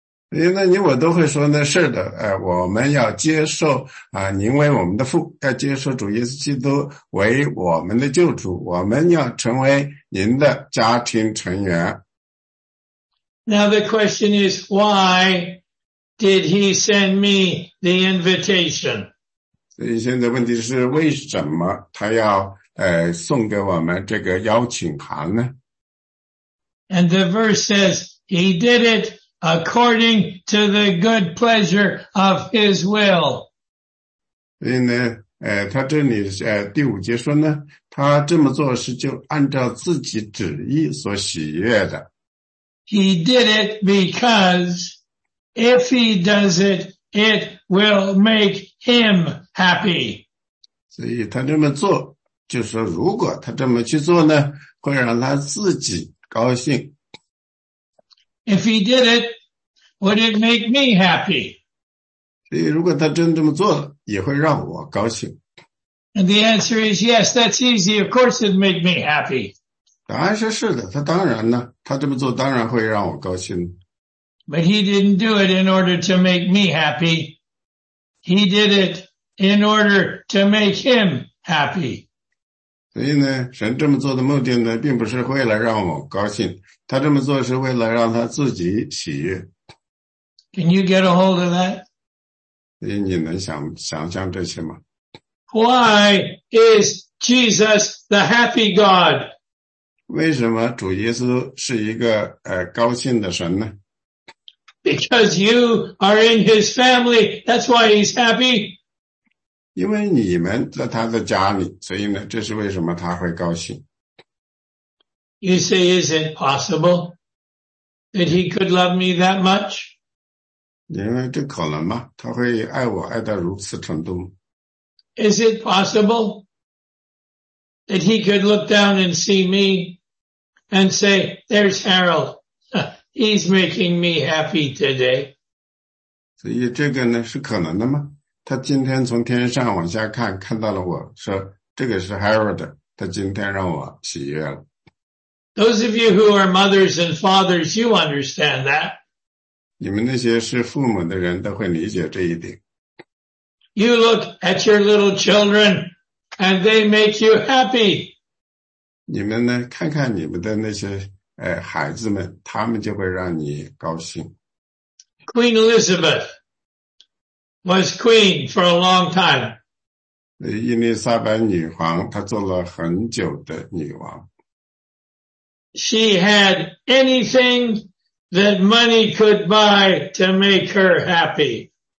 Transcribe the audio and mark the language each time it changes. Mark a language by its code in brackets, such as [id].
[zh] 那你我都会说那事的、我们要接受、您为我们的父，要接受主耶稣基督为我们的救主，我们要成为您的家庭成员。 [en] Now the question is, why did he send me the invitation? [zh] 所以现在问题是为什么他要、送给我们这个邀请函呢？ [en] And the verse says, he did itAccording to the good pleasure of his will. [zh] 所以呢，他这里第五节说呢，他这么做是就按照自己旨意所喜悦的。 [en] He did it because if he does it, it will make him happy. [zh] 所以他这么做，就是说如果他这么去做呢，会让他自己高兴。 [en] If he did it, would it make me happy? [zh] 所以如果他真这么做也会让我高兴。 [en] And the answer is yes, that's easy, of course it'd make me happy. [zh] 答案是是的，他当然呢，他这么做当然会让我高兴。 [en] But he didn't do it in order to make me happy. He did it in order to make him happy. [zh] 所以呢，神这么做的目的呢，并不是为了让我高兴。他这么做是为了让他自己喜悦。 [en] Can you get a hold of that? [zh] 你能想象这些吗？ [en] Why is Jesus the happy God? [zh] 为什么主耶稣是一个高兴的神呢？ [en] Because you are in his family, that's why he's happy. [zh] 因为你们在他的家里，所以呢，这是为什么他会高兴。 [en] You say, is it possible that he could love me that much? [zh] 因为这可能吗？他会爱我爱到如此程度吗？ [en] Is it possible that he could look down and see me and say, there's Harold. He's making me happy today. [zh] 所以这个呢是可能的吗？他今天从天上往下看，看到了我说，这个是 Harold， 他今天让我喜悦了。 [en] Those of you who are mothers and fathers, you understand that. [zh] 你们那些是父母的人都会理解这一点。 [en] You look at your little children and they make you happy. [zh] 你们呢，看看你们的那些孩子们，他们就会让你高兴。 [en] Queen Elizabeth was queen for a long time. [zh] 伊丽莎白女皇，她做了很久的女王。 [en] She had anything that money could buy to make her happy.